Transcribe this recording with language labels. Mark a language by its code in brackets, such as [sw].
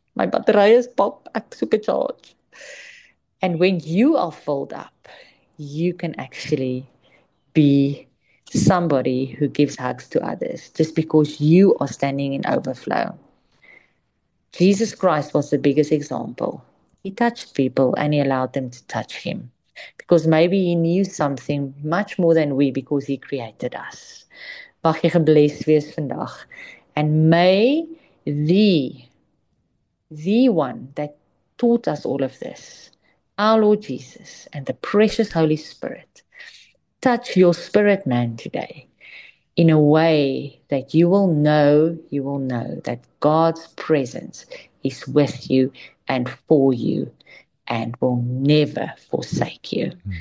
[en] My battery is pop, [af] ek soek 'n charge. [en] And when you are filled up, you can actually be somebody who gives hugs to others just because you are standing in overflow. Jesus Christ was the biggest example. He touched people and he allowed them to touch him because maybe he knew something much more than we because he created us. [af] Mag jy geblesd wees vandag. [en] And may the one that taught us all of this, our Lord Jesus and the precious Holy Spirit, touch your spirit man today in a way that you will know that God's presence is with you and for you and will never forsake you.